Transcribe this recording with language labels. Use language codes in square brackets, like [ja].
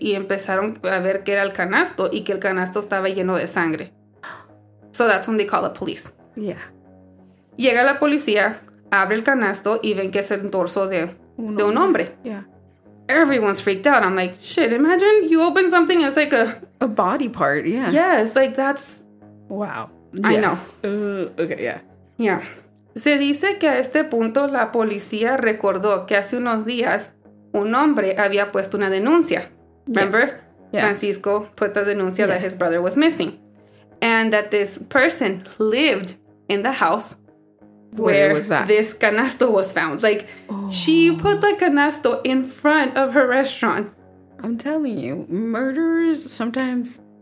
[es] Y empezaron a ver que era el canasto y que el canasto estaba lleno de sangre. [en] So that's when they call the police. Yeah. [es] Llega la policía, abre el canasto y ven que es el torso de un hombre. [en] Yeah. Everyone's freaked out. I'm like, shit, imagine you open something and it's like a body part. Yeah. Yeah, it's like that's... Wow. Yeah. I know. Okay, yeah. Yeah. [es] Se dice que a este punto la policía recordó que hace unos días un hombre había puesto una denuncia. [en] Remember? Yeah. Francisco put the denuncia that his brother was missing. And that this person lived in the house where was that? This canasto was found. Like, she put the canasto in front of her restaurant. I'm telling you, murderers sometimes...